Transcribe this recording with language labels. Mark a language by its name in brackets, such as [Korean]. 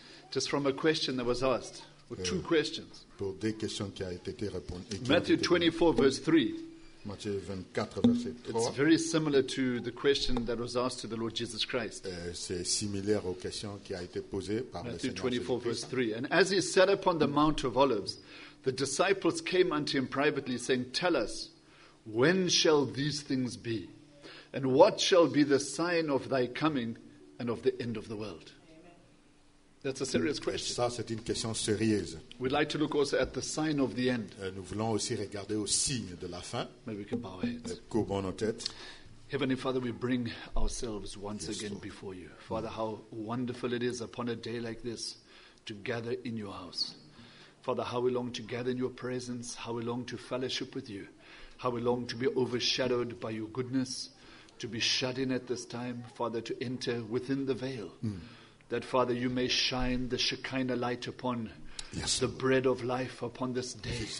[English] Just from a question that was asked, or two questions. [French] Pour des questions qui a été répondu. [English] Matthew 24 verse 3. [French] Matthieu 24 verset 3. [English] It's very similar to the question that was asked to the Lord Jesus Christ. [French] C'est similaire aux questions qui a été posées par [English] Matthew 24 verse 3. And as he sat upon the Mount of Olives, the disciples came unto him privately, saying, "Tell us, when shall these things be? And what shall be the sign of thy coming and of the end of the world?" That's a serious question. [French] Ça, c'est une question sérieuse. [English] We'd like to look also at the sign of the end. [French] Nous voulons aussi regarder au signe de la fin. [English] Maybe we can bow our heads. [French] Courbons nos têtes. [English] Heavenly Father, we bring ourselves once again before you. Father, how wonderful it is upon a day like this to gather in your house. Father, how we long to gather in your presence, how we long to fellowship with you, how we long to be overshadowed by your goodness, to be shut in at this time, Father, to enter within the veil, that, Father, you may shine the Shekinah light upon the bread of life upon this day.